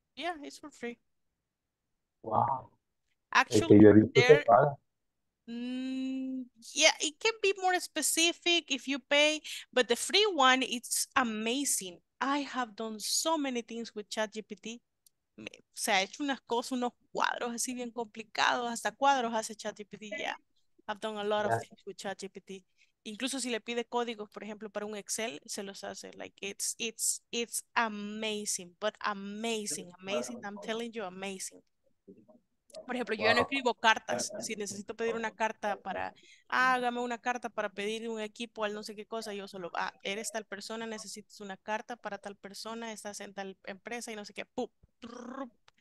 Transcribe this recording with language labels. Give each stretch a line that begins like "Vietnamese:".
English: Yeah, it's for free. Wow. Actually, Yeah, it can be more specific if you pay, but the free one, it's amazing. I have done so many things with ChatGPT.
Spanish: Me, o sea, he hecho unas cosas, unos cuadros así bien complicados, hasta cuadros hace ChatGPT.
English: Yeah, I've done a lot of things with ChatGPT.
Spanish: Incluso si le pide códigos, por ejemplo, para un Excel, se los hace.
English: Like, it's amazing, but amazing, amazing. I'm telling you, amazing.
Spanish: Por ejemplo, yo ya no escribo cartas. Si necesito pedir una carta para, hágame una carta para pedir un equipo al no sé qué cosa, yo solo, eres tal persona, necesitas una carta para tal persona, estás en tal empresa y no sé qué. ¡Pup! ¡Trup!